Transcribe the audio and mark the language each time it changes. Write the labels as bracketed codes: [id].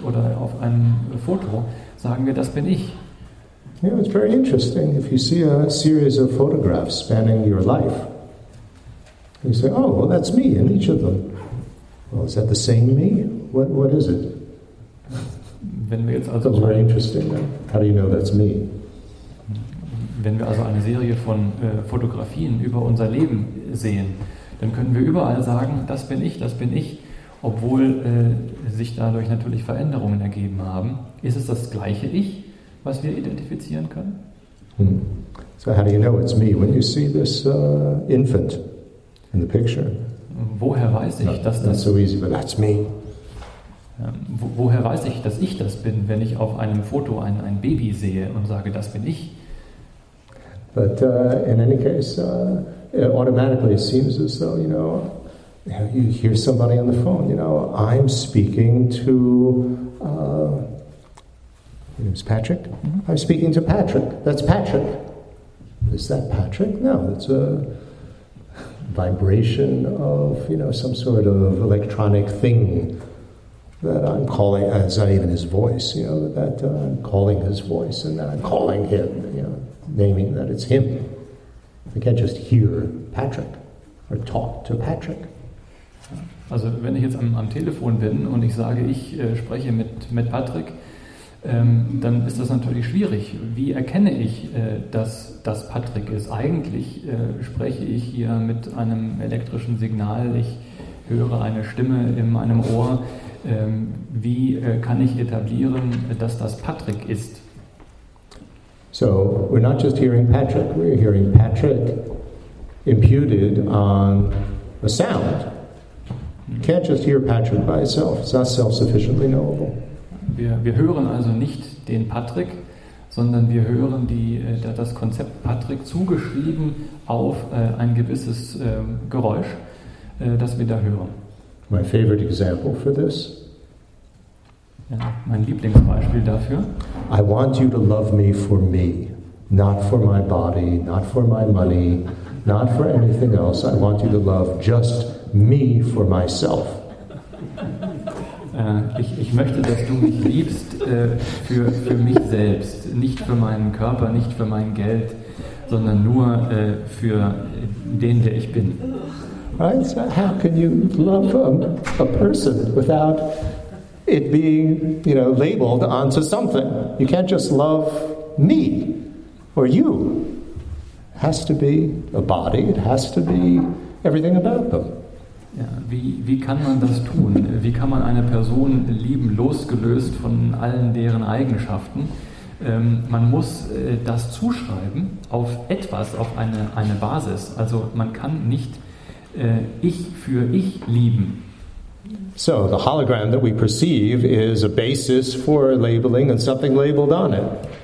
[de] Oder auf einem Foto sagen wir, das bin ich. [en] Yeah, it's very interesting. If you see a series of photographs spanning your life, you say, oh, well, that's me in each of them. Well, is that the same me? What is it? [de] Wenn wir jetzt also [en] that's very interesting. How do you know that's me? [de] Wenn wir also eine Serie von Fotografien über unser Leben sehen, dann können wir überall sagen, das bin ich, das bin ich. Obwohl sich dadurch natürlich Veränderungen ergeben haben. Ist es das gleiche Ich, was wir identifizieren können? Hmm. [en] So how do you know it's me when you see this infant in the picture? [de] Woher weiß ich, dass das... [en] Not so easy, but that's me. [de] Woher weiß ich, dass ich das bin, wenn ich auf einem Foto ein Baby sehe und sage, das bin ich? [en] But in any case... automatically, it seems as though, you know, you hear somebody on the phone, you know, I'm speaking to, his name is Patrick? Mm-hmm. I'm speaking to Patrick. That's Patrick. Is that Patrick? No, it's a vibration of, you know, some sort of electronic thing that I'm calling. It's not even his voice, you know, that I'm calling his voice and that I'm calling him, you know, naming that it's him. I can't just hear Patrick or talk to Patrick. [de] Also wenn ich jetzt am Telefon bin und ich sage, ich spreche mit Patrick, dann ist das natürlich schwierig. Wie erkenne ich, dass das Patrick ist? Eigentlich spreche ich hier mit einem elektrischen Signal, ich höre eine Stimme in meinem Ohr. Wie kann ich etablieren, dass das Patrick ist? [en] So we're not just hearing Patrick, we're hearing Patrick imputed on a sound. You can't just hear Patrick by itself. It's not self-sufficiently knowable. [de] Wir hören also nicht den Patrick, sondern wir hören das Konzept Patrick zugeschrieben auf ein gewisses Geräusch, das wir da hören. [en] My favorite example for this. [de] Ja, mein Lieblingsbeispiel dafür. [en] I want you to love me, not for my body, not for my money, not for anything else. I want you to love just me for myself. [de] Ich möchte, dass du mich liebst für mich selbst, nicht für meinen Körper, nicht für mein Geld, sondern nur für den, der ich bin. [en] Right? So how can you love a person without it being, you know, labeled onto something? You can't just love me or you. It has to be a body. It has to be everything about them. [de] Ja, wie kann man das tun? Wie kann man eine Person lieben, losgelöst von allen deren Eigenschaften? Man muss das zuschreiben auf etwas, auf eine Basis. Also man kann nicht ich für ich lieben. [en] So the hologram that we perceive is a basis for labeling and something labeled on it.